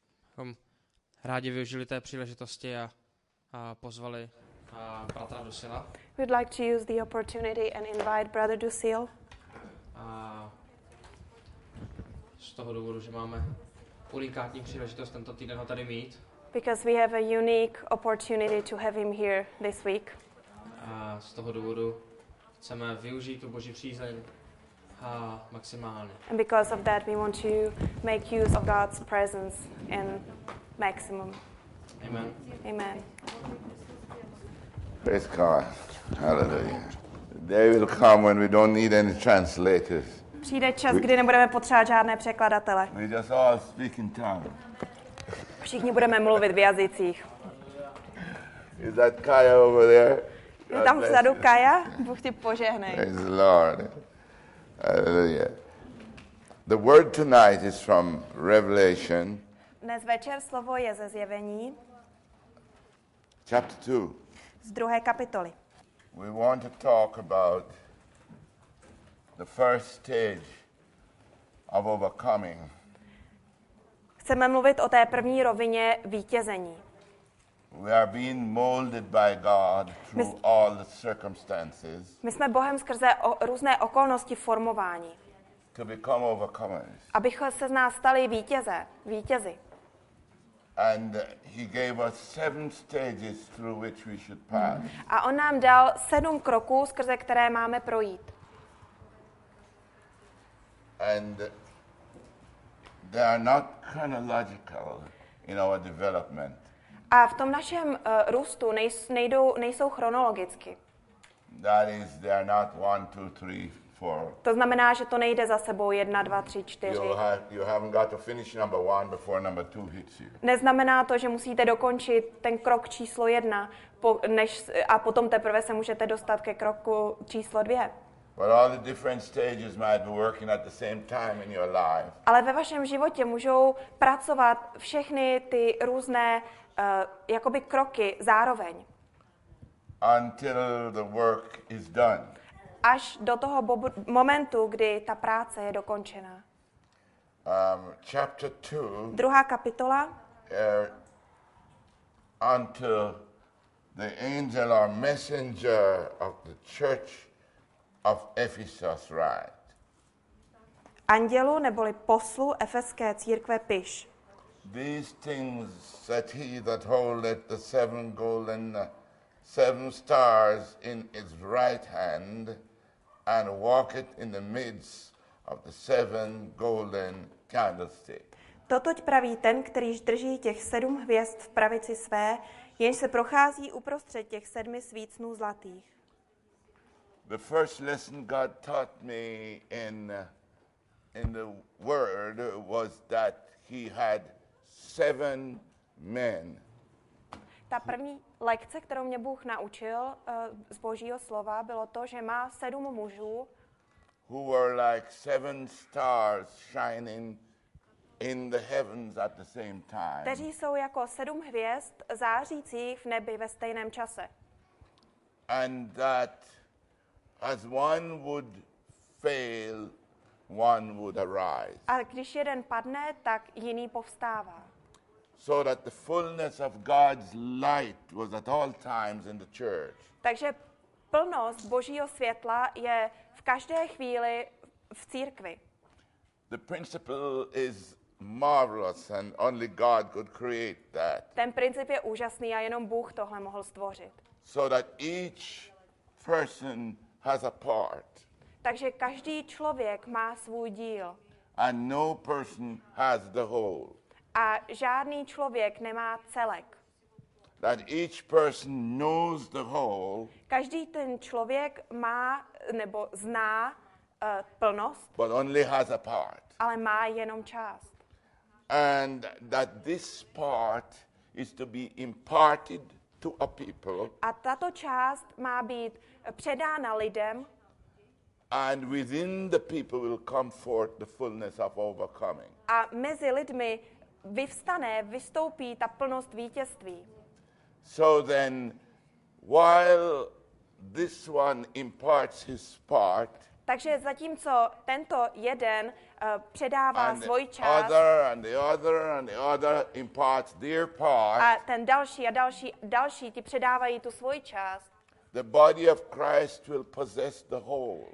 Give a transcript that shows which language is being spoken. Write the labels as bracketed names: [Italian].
[Czech] bychom rádi využili té příležitosti a pozvali bratra Dusila. [English] We'd like to use the opportunity and invite brother Dusil. [Czech] A z toho důvodu, že máme unikátní příležitost tento týden ho tady mít. [English] Because we have a unique opportunity to have him here this week. [Czech] A z toho důvodu chceme využít tu boží přízeň maximálně. [English] And because of that we want to make use of God's presence in maximum. Amen. [Czech] Amen. [English] Praise God. Hallelujah. Day will come when we don't need any translators. [Czech] Přijde čas, kdy nebudeme potřebovat žádné překladatele. [English] We just all speak in tongues. [Czech] Všichni budeme mluvit v jazycích. [English] Is that Kaya over there? [Czech] Je tam vzadu Kaya? Bůh ti požehnej. [English] Praise the Lord. Hallelujah. The word tonight is from Revelation. [Czech] Dnes večer slovo je ze zjevení. [English] Chapter 2. [Czech] Z druhé kapitoly. [English] We want to talk about the first stage of overcoming. [Czech] Chceme mluvit o té první rovině vítězení. [English] We are being molded by God through all the circumstances. [Czech] My jsme Bohem skrze různé okolnosti formování. [English] To become overcomers. [Czech] Abychom se z nás stali vítězi. [English] And he gave us 7 stages through which we should pass. [Czech] A on nám dal 7 kroků, skrze které máme projít. [English] And they are not chronological in our development. [Czech] A v tom našem růstu nejsou chronologicky. [English] That is, they are not 1, 2, 3, 4. [Czech] To znamená, že to nejde za sebou 1, 2, 3, 4. [English] You haven't got to finish number 1 before number 2 hits you. [Czech] Neznamená to, že musíte dokončit ten krok číslo 1, a potom teprve se můžete dostat ke kroku číslo 2. [English] But all the different stages might be working at the same time in your life. [Czech] Ale ve vašem životě můžou pracovat všechny ty různé jakoby kroky zároveň. [English] Until the work is done. [Czech] Až do toho momentu, kdy ta práce je dokončena. [English] Chapter 2. [Czech] Druhá kapitola. [English] Until the angel or messenger of the church of Ephesus write. [Czech] Andělu neboli poslu efeské církve piš. [English] These things said he that holdeth the 7 golden 7 stars in his right hand and walketh in the midst of the 7 golden candlesticks. [Czech] Totoť praví ten, kterýž drží těch 7 hvězd v pravici své, jenž se prochází uprostřed těch 7 svícnů zlatých. [English] The first lesson God taught me in the word was that he had 7 men. [Czech] Ta první lekce, kterou mě Bůh naučil z Božího slova, bylo to, že má 7 mužů. [English] Who were like 7 stars shining in the heavens at the same time. [Czech] Kteří jsou jako 7 hvězd zářících v nebi ve stejném čase. [English] And that as one would fail, one would arise. [Czech] A když jeden padne, tak jiný povstává. [English] So that the fullness of God's light was at all times in the church. [Czech] Takže plnost Božího světla je v každé chvíli v církvi. [English] The principle is marvelous and only God could create that. [Czech] Ten princip je úžasný a jenom Bůh tohle mohl stvořit. [English] So that each person has a part. [Czech] Takže každý člověk má svůj díl. [English] And no person has the whole. [Czech] A žádný člověk nemá celek. [English] That each person knows the whole. [Czech] Každý ten člověk má nebo zná plnost. [English] But only has a part. [Czech] Ale má jenom část. [English] And that this part is to be imparted to a people. [Czech] A tato část má být předána lidem. [English] And within the people will come forth the fullness of overcoming. [Czech] A mezi lidmi vyvstane, vystoupí ta plnost vítězství. [English] So then, while this one imparts his part, [Czech] Takže zatímco tento jeden předává [English] and [Czech] svůj čas, [English] the other and the other impart their part, [Czech] a ten další a další další ti předávají tu svůj čas, [English] the body of Christ will possess the whole.